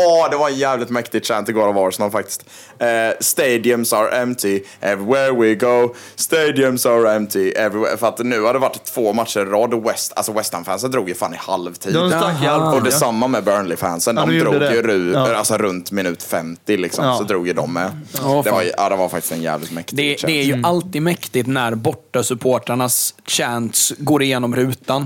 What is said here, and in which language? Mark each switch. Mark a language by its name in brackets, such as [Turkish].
[Swedish] Det var en jävligt mäktig chant igår av Arsenal faktiskt. [English] Stadiums are empty everywhere we go, stadiums are empty everywhere. [Swedish] För att nu har det varit två matcher rad West, alltså West Ham fansen drog ju fan i halvtid. De stack halv, och detsamma med Burnley fansen. Ja, de drog ju alltså runt minut 50 liksom, så drog ju de med. Det var faktiskt en jävligt mäktig chant. Det är ju alltid mäktigt när borta supportrarnas chants går igenom rutan.